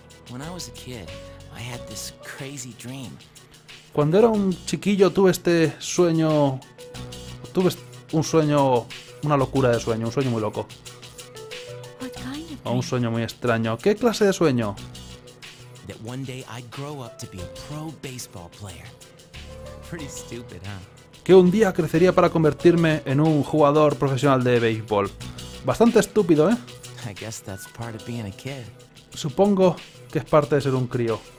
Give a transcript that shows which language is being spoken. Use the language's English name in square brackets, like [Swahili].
[English] When I was a kid, I had this crazy dream. [Spanish] Cuando era un chiquillo tuve este sueño... Tuve un sueño... Una locura de sueño, un sueño muy loco. [English] What kind of dream? [Spanish] O un sueño muy extraño. ¿Qué clase de sueño? [English] That one day I'd grow up to be a pro baseball player. Pretty stupid, huh? [Spanish] Que un día crecería para convertirme en un jugador profesional de béisbol. Bastante estúpido, ¿eh? [English] I guess that's part of being a kid. [Spanish] Supongo que es parte de ser un crío.